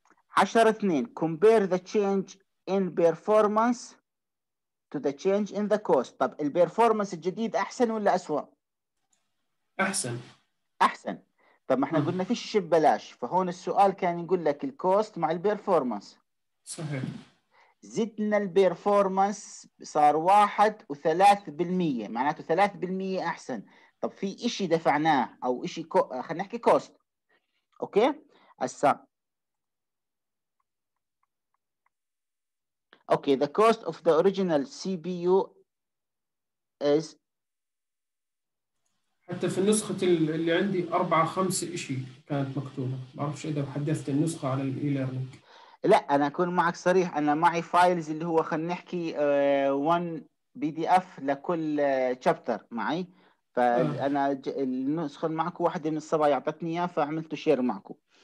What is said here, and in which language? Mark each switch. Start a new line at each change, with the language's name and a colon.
English: 10-2 compare the change in performance to the change in the cost.
Arabic: طب البيرفورمانس الجديد احسن ولا أسوأ؟ احسن. احسن. طب ما احنا قلنا فيش ببلاش، فهون السؤال كان يقول لك الكوست مع البيرفورمانس. صحيح. زدنا البيرفورمانس صار 1.3%، معناته 3% احسن. طب في اشي دفعناه او اشي خلينا نحكي كوست. اوكي؟ هسا اوكي،
English: the cost of the original CPU is،
Arabic: حتى في النسخة اللي عندي 4-5 اشي كانت مكتوبة، ما اعرفش اذا حدثت النسخة على الاي ليرنينج. لا انا اكون معك صريح، انا معي فايلز اللي هو خلينا نحكي 1 بي دي اف لكل تشابتر معي، فانا النسخة معك واحدة من الصبا يعطتني اياها فعملته شير معكم.